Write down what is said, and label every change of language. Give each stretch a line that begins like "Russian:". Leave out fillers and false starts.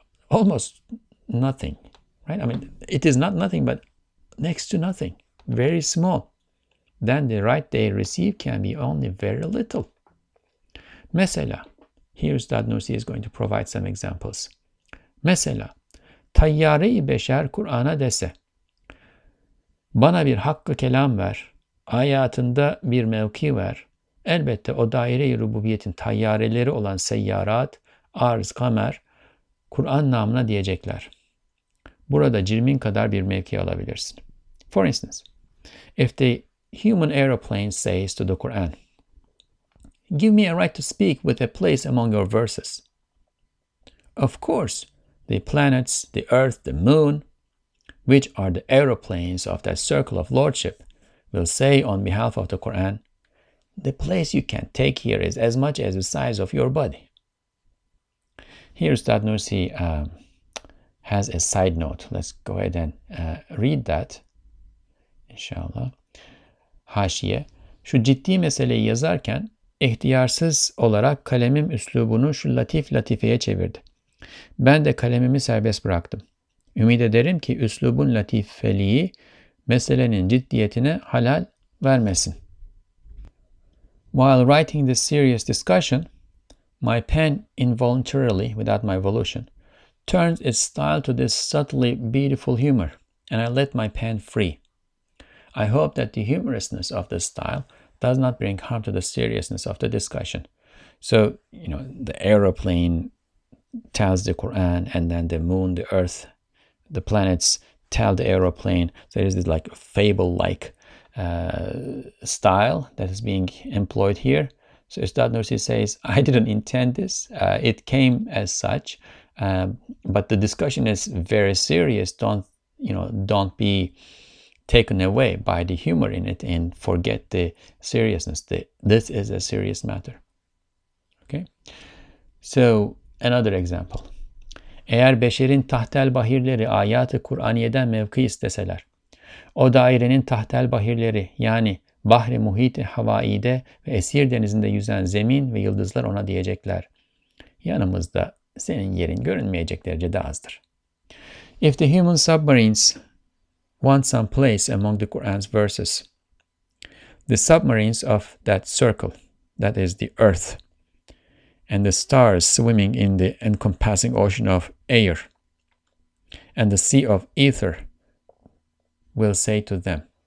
English: Almost nothing, right? I mean, it is not nothing, but next to nothing, very small. Then the right they receive can be only very little. Mesela, here Üstad Nursi is going to provide some examples.
Turkish: Mesela, tayyare-i beşer Kur'an'a dese, bana bir hakkı kelam ver, hayatında bir mevki ver, elbette o daire-i rububiyetin tayyareleri olan seyyarat, arz, kamer, Kur'an namına diyecekler. Burada cirmin kadar bir mevki alabilirsin.
English: For instance, if the human aeroplane says to the Quran, give me a right to speak with a place among your verses. Of course, the planets, the earth, the moon, which are the aeroplanes of that circle of lordship, will say on behalf of the Quran, the place you can take here is as much as the size of your body. Here, Üstad Nursi has a side note. Let's go ahead and read that, inshallah.
Turkish: Haşiye, şu ciddi meseleyi yazarken, ihtiyarsız olarak kalemim üslubunu şu latif latifeye çevirdi. Ben de kalemimi serbest bıraktım. Ümid ederim ki üslubun latifeliği meselenin ciddiyetine halal vermesin.
English: While writing this serious discussion, my pen involuntarily, without my volition, turns its style to this subtly beautiful humor, and I let my pen free. I hope that the humorousness of the style does not bring harm to the seriousness of the discussion. So, you know, the aeroplane tells the Quran, and then the moon, the earth, the planets tell the aeroplane. There is this like fable-like style that is being employed here. So Üstad Nursi says, I didn't intend this. It came as such, but the discussion is very serious. Don't be taken away by the humor in it and forget the seriousness. This is a serious matter. Okay. So another example.
Turkish: Eğer beşerin tahtel bahirleri ayatı Kur'aniyeden mevki isteseler, o dairenin tahtel bahirleri yani bahri muhiti havaide ve esir denizinde yüzen zemin ve yıldızlar ona diyecekler. Yanımızda senin yerin görünmeyecek derecede azdır.
English: If the human submarines want some place among the Quran's verses, the submarines of that circle, that is the earth, and the stars swimming in the encompassing ocean of air, and the sea of ether will say to them,